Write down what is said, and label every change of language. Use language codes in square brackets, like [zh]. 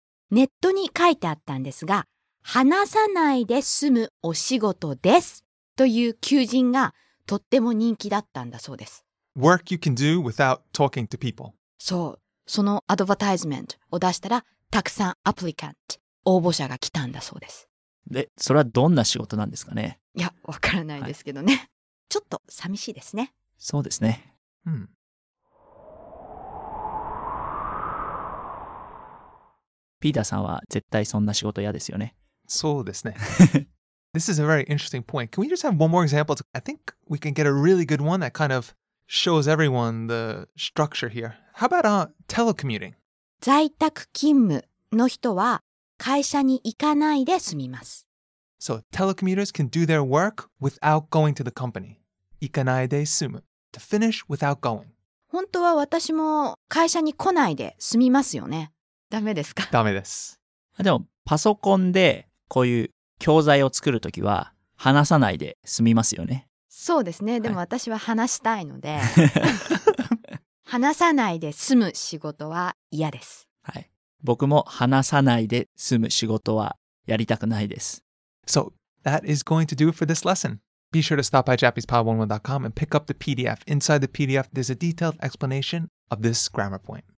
[ja] ネットに書いてあったんですが、話さないで済むお仕事ですという求人がとっても人気だったんだそうです。 [en] Work you can do without talking to people. [ja] そう、そのアドバタイズメントを出したらたくさんアプリカント、応募者が来たんだそうです。で、それはどんな仕事なんですかね？いや、わからないですけどね、はい。ちょっと寂しいですね。そうですね。うん。ピーターさんは絶対そんな仕事嫌ですよね。そうですね。 [en] This is a very interesting point. Can we just have one more example? I think we can get a really good one that kind of shows everyone the structure here. How about telecommuting? [ja] 在宅勤務の人は会社に行かないで済みます。 [en] So, telecommuters can do their work without going to the company. [ja] 行かないで済む。 [en] To finish without going. [ja] 本当は私も会社に来ないで済みますよね。ダメですか？ダメです。でも、パソコンでこういう教材を作るときは話さないで済みますよね。そうですね。でも私は話したいので、はい、話さないで済む仕事は嫌です。はい。僕も話さないで済む仕事はやりたくないです。 [en] So, that is going to do it for this lesson. Be sure to stop by japanesepod101.com and pick up the PDF. Inside the PDF, there's a detailed explanation of this grammar point.